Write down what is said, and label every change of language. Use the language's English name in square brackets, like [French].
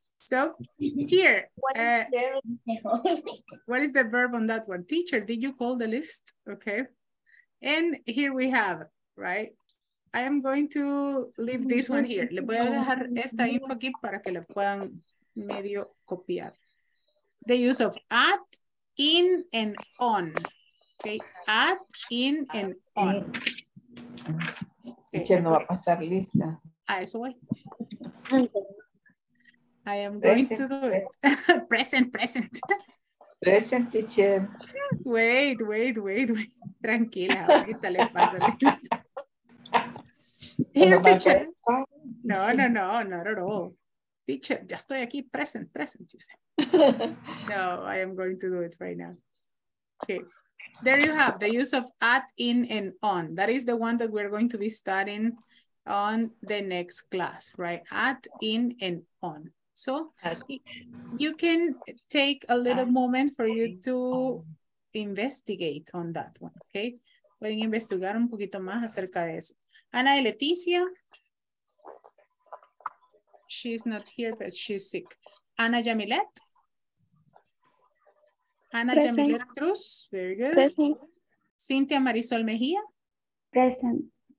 [English] So here, what is the verb on that one? Teacher, did you call the list? Okay, and here we have, right? I am going to leave this one here. [Spanish] Le voy a dejar esta info aquí para que la puedan medio copiar. [English] The use of at, in, and on. Okay, at, in, and on. [Spanish] Teacher, no va a pasar lista. A eso voy. [English] I am going to do it. Present, present. Present, teacher. Wait, wait, wait, wait. [Spanish] Tranquila, ahorita le paso lista. [English] Here, teacher. No, no, no, not at all. Teacher, [Spanish] ya estoy aquí, [English] present, present, you say. No, I am going to do it right now. Okay, there you have the use of at, in, and on. That is the one that we're going to be studying on the next class, right? At, in, and on. So you can take a little moment for you to investigate on that one, okay? [Spanish] Pueden investigar un poquito más acerca de eso. [English] Ana y Leticia, she's not here, but she's sick. Ana Yamilet. Ana Yamilet Cruz, very good. Present. Cynthia Marisol Mejía. Present.